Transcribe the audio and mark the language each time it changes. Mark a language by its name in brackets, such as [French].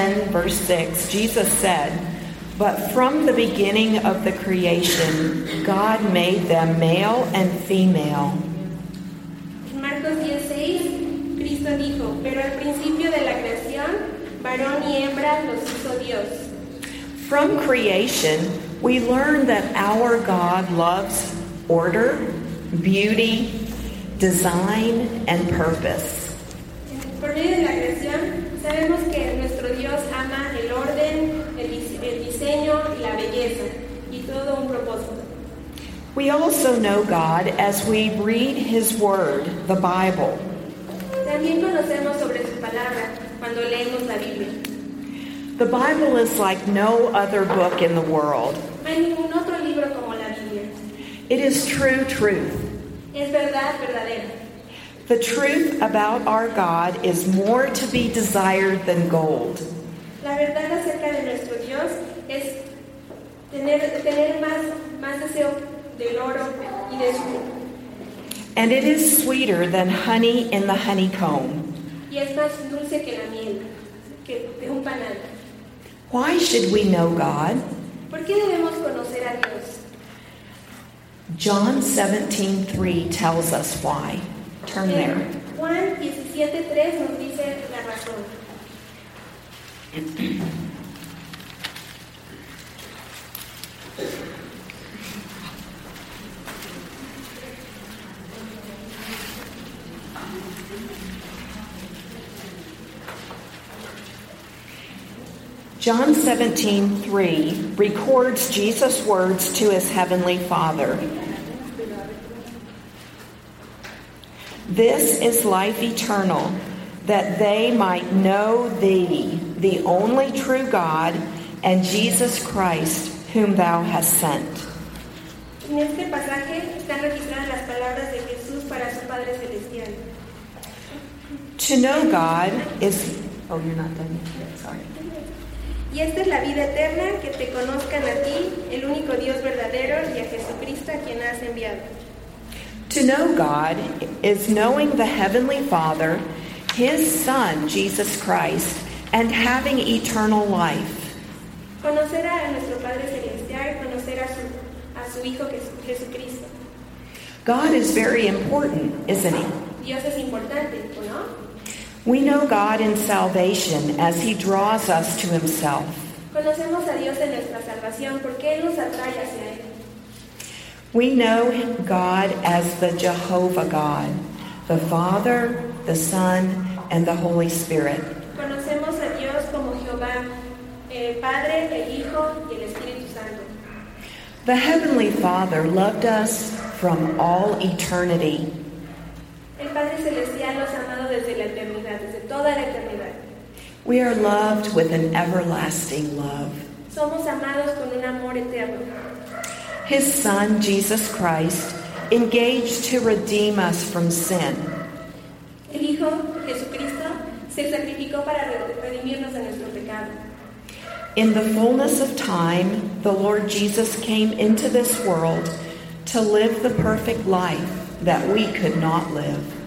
[English] Verse 6, Jesus said, "But from the beginning of the creation, God made them male and female." [Spanish] En Marcos 10:6, Cristo dijo, "Pero al principio de la creación, varón y hembra los hizo Dios." [English] From creation, we learn that our God loves order, beauty, design, and purpose. [Spanish] Por medio de la creación, sabemos que nuestro Dios ama el orden, el diseño, la belleza y todo un propósito. [English] We also know God as we read His Word, the Bible. [Spanish] También conocemos sobre su palabra cuando leemos la Biblia. [English] The Bible is like no other book in the world. [Spanish] No hay ningún otro libro como la Biblia. [English] It is true truth. [Spanish] Es verdad verdadera. [English] The truth about our God is more to be desired than gold. [Spanish] La verdad acerca de nuestro Dios es tener más deseo del oro y de su. [English] And it is sweeter than honey in the honeycomb. [Spanish] Y es más dulce que la miel, que de un panal. [English] Why should we know God? [Spanish] ¿Por qué debemos conocer a Dios? [English] John 17:3 tells us why. Turn there. [Spanish] Juan 17:3 nos dice la razón. [English] John 17:3 records Jesus' words to his heavenly Father. This is life eternal, that they might know thee, the only true God, and Jesus Christ, whom thou hast sent. [Spanish] En este pasaje están registradas las palabras de Jesús para su Padre Celestial. [English] To know God is... Oh, you're not done yet, sorry. [Spanish] Y esta es la vida eterna, que te conozcan a ti, el único Dios verdadero, y a Jesucristo a quien has enviado. [English] To know God is knowing the Heavenly Father, His Son, Jesus Christ, and having eternal life. [Spanish] Conocer a nuestro Padre Celestial, conocer a su Hijo Jesucristo. [English] God is very important, isn't He? [Spanish] Dios es importante, ¿no? [English] We know God in salvation as He draws us to Himself. [Spanish] Conocemos a Dios en nuestra salvación porque Él nos atrae hacia Él. [English] We know God as the Jehovah God, the Father, the Son, and the Holy Spirit. [Spanish] Conocemos a Dios como Jehová, el Padre, el Hijo, y el Espíritu Santo. [English] The Heavenly Father loved us from all eternity. [Spanish] El Padre Celestial nos ha amado desde la eternidad, desde toda la eternidad. [English] We are loved with an everlasting love. [Spanish] Somos amados con un amor eterno. [English] His Son, Jesus Christ, engaged to redeem us from sin. [Spanish] El Hijo Jesucristo se sacrificó para redimirnos de nuestro pecado. [English] In the fullness of time, the Lord Jesus came into this world to live the perfect life that we could not live.